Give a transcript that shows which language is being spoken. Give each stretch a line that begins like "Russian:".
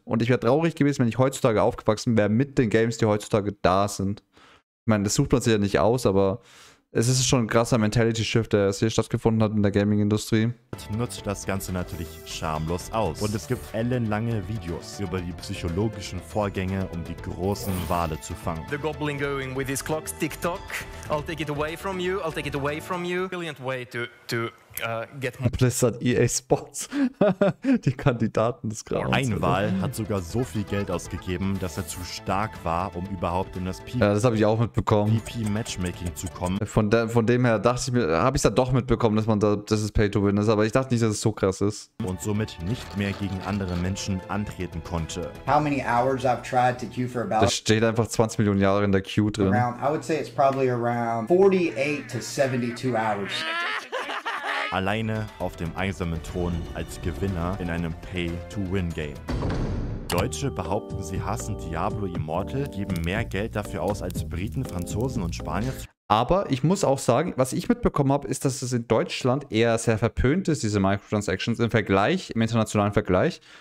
German: Und ich wäre traurig gewesen, wenn ich heutzutage aufgewachsen wäre mit den Games, die heutzutage da sind. Ich meine, das sucht man sich ja nicht aus, aber es ist schon ein krasser Mentality-Shift, der hier stattgefunden hat in der Gaming-Industrie. Nutzt das Ganze natürlich schamlos aus. Und es gibt ellenlange Videos über die psychologischen Vorgänge, um die großen Wale zu fangen.
English: The goblin going with his clocks tick-tock. I'll take it away from you, I'll take it away from you. Brilliant way to get
German: more. Blizzard EA Sports. Die Kandidaten des Grauens. Ein Wal hat sogar so viel Geld ausgegeben, dass er zu stark war, um überhaupt in das PvP. Ja, das habe ich auch mitbekommen. PvP-Matchmaking zu kommen. Von dem her dachte ich mir, habe ich es da doch mitbekommen, dass man da, dass es Pay-to-Win ist, aber ich dachte nicht, dass es so krass ist. Und somit nicht mehr gegen andere Menschen antreten konnte.
English: How many hours I've tried to queue for about.
German: Das steht einfach 20 Millionen Jahre in der Queue drin.
English: Around, I would say it's probably around 48 to 72 hours.
German: Alleine auf dem einsamen Thron als Gewinner in einem Pay-to-Win-Game. Deutsche behaupten, sie hassen Diablo Immortal, geben mehr Geld dafür aus als Briten, Franzosen und Spanier. Aber ich muss auch sagen, was ich mitbekommen habe, ist, dass es in Deutschland eher sehr verpönt ist, diese Microtransactions im Vergleich, im internationalen Vergleich.